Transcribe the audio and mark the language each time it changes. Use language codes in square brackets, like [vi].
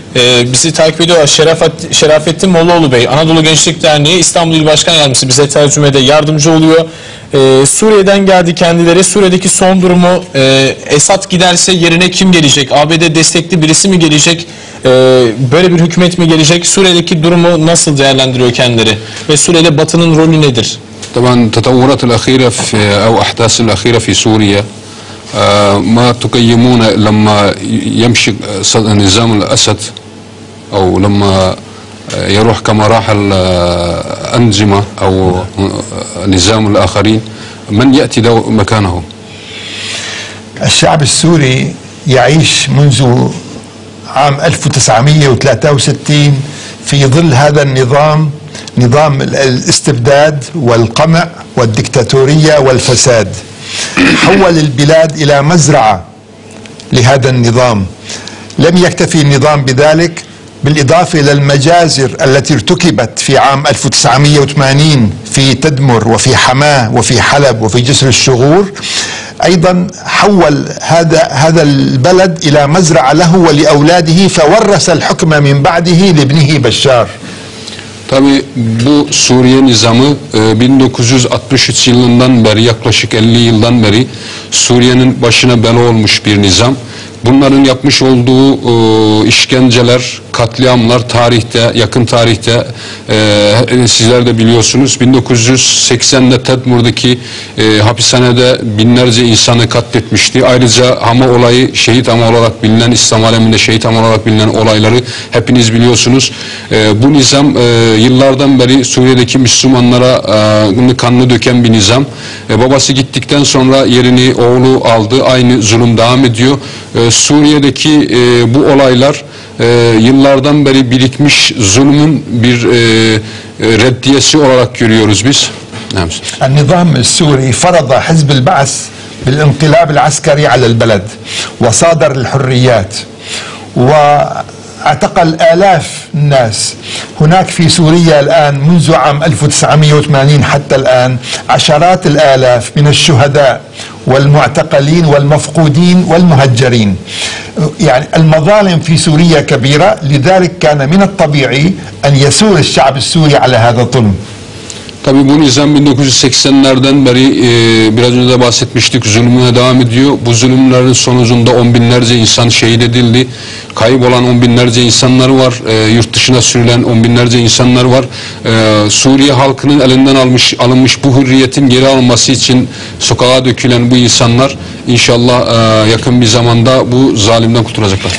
[tr] Bizi takip ediyorlar. Şerafettin Moğluoğlu Bey, Anadolu Gençlik Derneği İstanbul İl Başkan Yardımcısı, bize tercümede yardımcı oluyor. Suriye'den geldi kendileri. Suriye'deki son durumu, Esad giderse yerine kim gelecek? ABD destekli birisi mi gelecek? Böyle bir hükümet mi gelecek? Suriye'deki durumu nasıl değerlendiriyor kendileri? Ve Suriye'de Batı'nın rolü nedir? [ar] Tabii tatavurat al-akhira veya ahdasın al-akhira fi Suriye ما تقيمون لما يمشي نظام الأسد أو لما يروح كما راح الأنظمة أو نظام الآخرين من يأتي مكانه الشعب السوري يعيش منذ عام 1963 في ظل هذا النظام نظام الاستبداد والقمع والديكتاتورية والفساد حول البلاد إلى مزرعة لهذا النظام لم يكتفي النظام بذلك بالإضافة إلى المجازر التي ارتكبت في عام 1980 في تدمر وفي حماة وفي حلب وفي جسر الشغور أيضا حول هذا البلد إلى مزرعة له ولأولاده فورث الحكم من بعده لابنه بشار [tr] Tabi bu Suriye nizamı 1963 yılından beri, yaklaşık 50 yıldan beri Suriye'nin başına bela olmuş bir nizam. Bunların yapmış olduğu işkenceler, katliamlar tarihte, yakın tarihte sizler de biliyorsunuz. 1980'de Tedmur'daki hapishanede binlerce insanı katletmişti. Ayrıca Hama olayı, şehit Hama olarak bilinen, İslam aleminde şehit Hama olarak bilinen olayları hepiniz biliyorsunuz. Bu nizam yıllardan beri Suriye'deki Müslümanlara kanını döken bir nizam. Babası gittikten sonra yerini oğlu aldı. Aynı zulüm devam ediyor. Suriye'deki bu olaylar yıllardan beri birikmiş zulmün bir reddiyesi olarak görüyoruz biz. [ar] النظام السوري فرض حزب البعث بالانقلاب العسكري على البلد وصادر الحريات واعتقل آلاف الناس هناك في سوريا الآن منذ عام 1980 حتى الآن عشرات الآلاف من الشهداء والمعتقلين والمفقودين والمهجرين يعني المظالم في سوريا كبيرة لذلك كان من الطبيعي أن يسور الشعب السوري على هذا الظلم [tr] Tabii bu nizam 1980'lerden beri biraz önce de bahsetmiştik, zulmüne devam ediyor. Bu zulümlerin sonucunda on binlerce insan şehit edildi. Kayıp olan on binlerce insanlar var. Yurt dışına sürülen on binlerce insanlar var. Suriye halkının elinden alınmış bu hürriyetin geri alınması için sokağa dökülen bu insanlar inşallah yakın bir zamanda bu zalimden kurtulacaklar.